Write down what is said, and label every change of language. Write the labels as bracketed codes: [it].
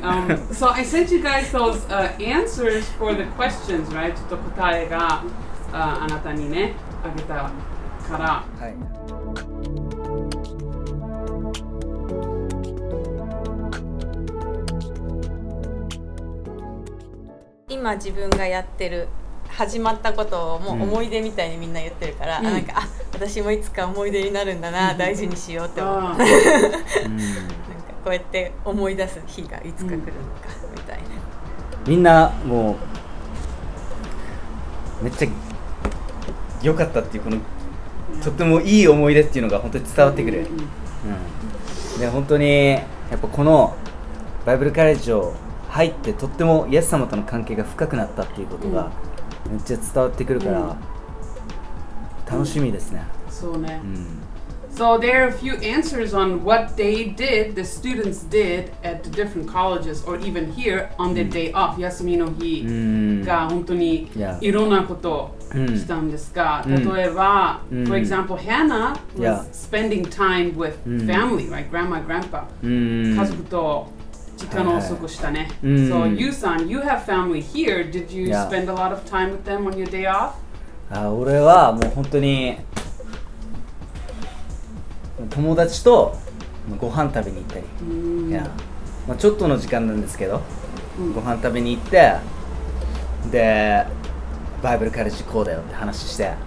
[en] Okay, so I sent you guys those answers for the questions, right? [ja] ちょっと答えがあなたにね、あげたから。はい。今自分がやってる始まったことをもう思い出みたいにみんな言ってるから、うん、なんかあ私もいつか思い出になるんだな、うん、大事にしようって思って、うん、なんかこうやって思い出す日がいつか来るのかみたいな、うん、みんなもうめっちゃ良かったっていうこのとってもいい思い出っていうのが本当に伝わってくる、うんうん、で本当にやっぱこのバイブルカレッジを入ってとってもイエス様との関係が深くなったっていうことがめっちゃ伝わってくるから楽しみですね、うん、そうね、うん、 [en] So there are a few answers on what they did, the students did at the different colleges or even here on their day off、 [ja] うん、休みの日が本当にいろんなことをしたんですが、うん、例えば、うん、 [en] for example, Hannah was、yeah. spending time with family,、 [ja] うん、 [en] right? Grandma, Grandpa、 [ja] うん、家族と時間を過ごしたね、はい、 [en] So Yu-san, you have family here. Did you spend a lot of time with them on your day off? [ja] あ、俺はもう本当に友達とご飯食べに行ったり、うん、まあ、ちょっとの時間なんですけど、うん、ご飯食べに行って、でバイブルカレッジこうだよって話して、